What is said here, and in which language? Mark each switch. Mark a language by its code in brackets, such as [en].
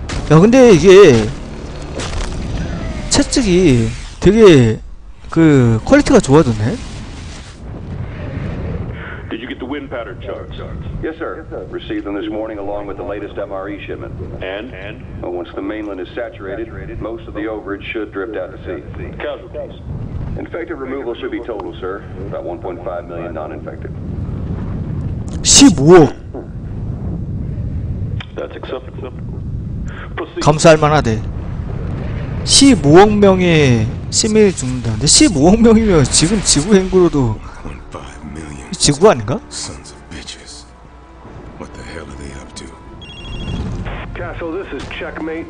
[ko] 야 근데 이게 채찍이 되게 그 퀄리티가 좋아졌네. [en] Did you get the wind pattern chart? Yes, sir. Received them this morning along with the latest MRE shipment. And well, once the mainland is saturated, most of the overage should drift out to sea. Casualties. Infected removal should be total, sir. About 1.5 million non-infected. [ko] 15억. [en] That's [ko] 감사할 만하대 15억 명의 시민이 죽는다는데 15억 명이면 지금 지구 행구로도 지구 아닌가? [en] Sons of bitches. What the hell are they up to? Castle, this is checkmate.